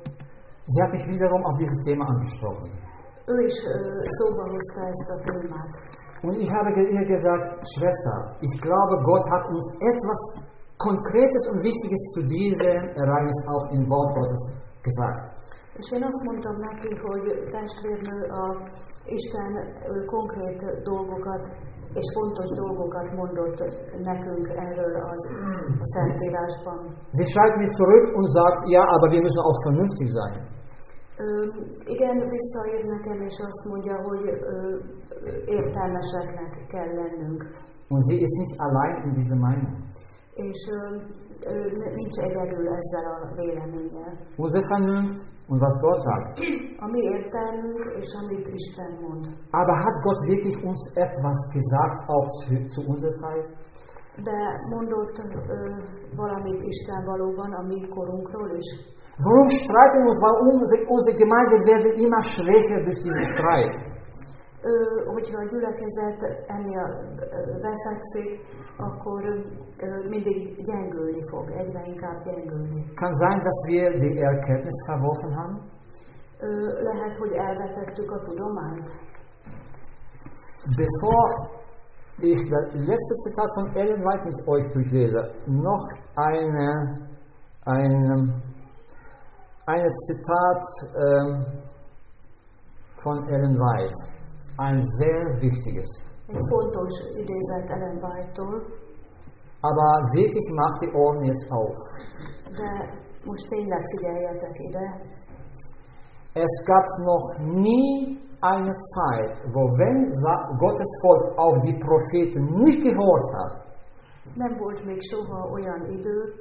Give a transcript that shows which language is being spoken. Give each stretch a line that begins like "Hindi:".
German: Sie hat mich wiederum auf dieses Thema angesprochen.
Hungarian: Ő is szóba hozta ezt a témát.
German: Und ich habe ihr gesagt, Schwester, ich glaube, Gott hat uns etwas Konkretes und Wichtiges zu diesem Ereignis auch im Wort Gottes gesagt.
Hungarian: És én azt mondtam neki, hogy testvérnő, a Isten konkrét dolgokat és fontos dolgokat mondott nekünk erről az a Szentírásban.
German: Sie schreibt mir zurück und sagt, ja, aber wir müssen auch vernünftig sein.
Hungarian: Igen, visszaír nekem, és azt mondja, hogy értelmeseknek kell lennünk.
German: Und sie ist nicht allein in dieser Meinung.
Hungarian: És nincs egyedül ezzel a véleménnyel.
German: Unsere Vernunft und was Gott sagt.
Hungarian: A mi értelmünk és amit Isten mond.
German: Aber hat Gott wirklich uns etwas gesagt auch zu unserer Zeit?
Hungarian: De mondott valamit Isten valóban a mi korunkról is.
German: Warum streiten wir uns? Warum unsere Gemeinde wird immer schwächer durch diesen Streit?
Hungarian: Hogyha a gyülekezet ennél veszekszik, akkor mindig gyengülni fog, egyre inkább gyengülni.
German: Kann sein, dass wir die Erkenntnis verworfen haben?
Hungarian: Lehet, hogy elvetettük a tudományt.
German: Bevor ich das letzte Zitat von Ellen White mit euch durchlese, noch eine Zitat von Ellen White. Ein sehr wichtiges. Ein
Hungarian: fontos Idézet Ellen White-tól.
German: Aber wirklich macht die Ohren jetzt auf.
Hungarian: De most tényleg figyeljetek ide.
German: Es gab noch nie eine Zeit, wo wenn Gottes Volk auf die Propheten nicht gehört hat.
Hungarian: Nem volt még soha olyan idő.